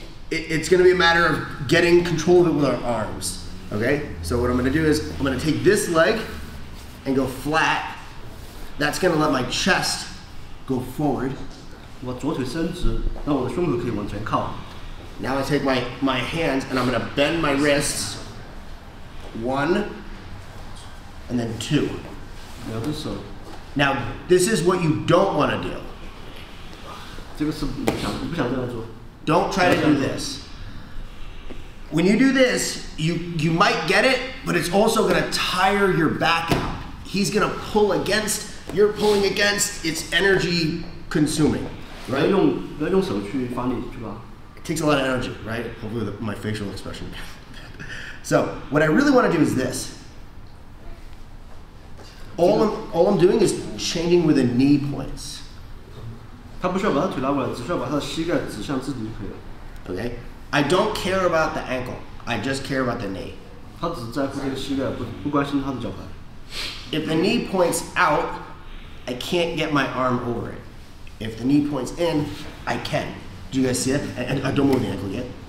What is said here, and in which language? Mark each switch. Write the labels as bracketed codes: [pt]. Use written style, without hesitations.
[en] It's going to be a matter of getting control of it with our arms, okay? So what I'm going to do is I'm going to take this leg and go flat. That's going to let my chest go forward. [zh] 我左腿伸直，那我的胸口可以往前靠。 [en] Now I take my hands and I'm gonna bend my wrists. One, and then two. [zh] 两只手。 [en] Now this is what you don't want to do. [zh] 这个是不想这样做。 [en] Don't try to do this. when you do this, you might get it, but it's also gonna tire your back out. He's gonna pull against, you're pulling against, it's energy consuming. Right? [zh] 不要用手去发力，是吧? [en] It takes a lot of energy, right? Hopefully my facial expression. So, what I really wanna do is this. All I'm doing is changing with the knee points. [zh] 他不需要把他腿拉过来，只需要把他的膝盖指向自己就可以了。 [en] Okay, I don't care about the ankle. I just care about the knee. [zh] 他只在乎这个膝盖，不关心他的脚踝。 [en] If the knee points out, I can't get my arm over it. If the knee points in, I can. Do you guys see it? And I don't move the ankle yet.